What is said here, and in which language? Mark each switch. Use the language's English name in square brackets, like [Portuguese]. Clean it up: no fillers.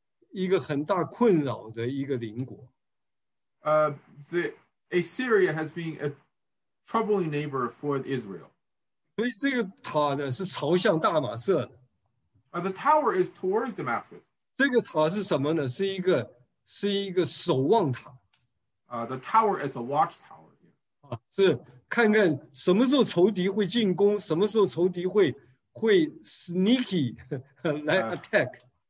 [Chinese] 一个很大困扰的一个邻国。 [English] Assyria has been a troubling neighbor for Israel. [Chinese] 所以这个塔呢是朝向大马色的。 [English] The tower is towards Damascus. [Chinese] 这个塔是什么呢?是一个守望塔。 [English] The tower is a watchtower. [Chinese] 是看看什么时候仇敌会进攻, 什么时候仇敌会 sneaky 来 attack。